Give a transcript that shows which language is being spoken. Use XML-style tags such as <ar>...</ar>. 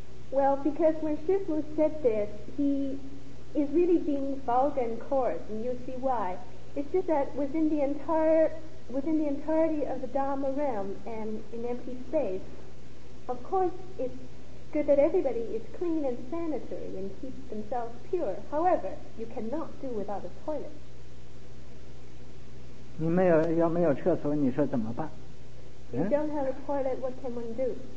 <en>Well, because when Shifu said this, he is really being vulgar and coarse, and you see why. It's just that within the entirety of the Dharma realm and in empty space, of course it's good that everybody is clean and sanitary and keeps themselves pure. However, you cannot do without a toilet.</en> <zh>你没有，要没有厕所，你说怎么办？</zh> <en>If you don't have a toilet, what can one do?</en>